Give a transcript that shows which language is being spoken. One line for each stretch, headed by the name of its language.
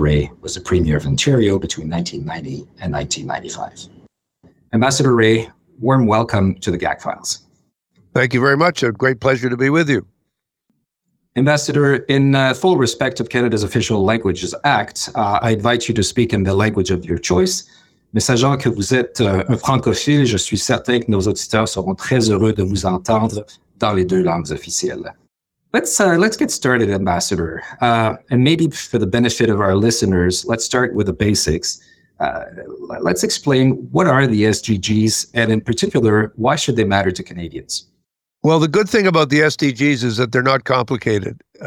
English: Ray was the Premier of Ontario between 1990 and 1995. Ambassador Ray, warm welcome to the GAC Files. Thank you very much. A great pleasure to be with you. Ambassador, in full respect of Canada's Official Languages Act, I invite you to speak in the language of your choice.
French: Mais sachant que vous êtes un francophile, je suis certain que nos auditeurs seront très heureux de vous entendre dans les deux langues officielles.
English: Let's get started, Ambassador. And maybe for the benefit of our listeners, let's start with the basics. Let's explain what are the SDGs, and in particular, why should they matter to Canadians? Well, the good thing about the SDGs is that they're not complicated.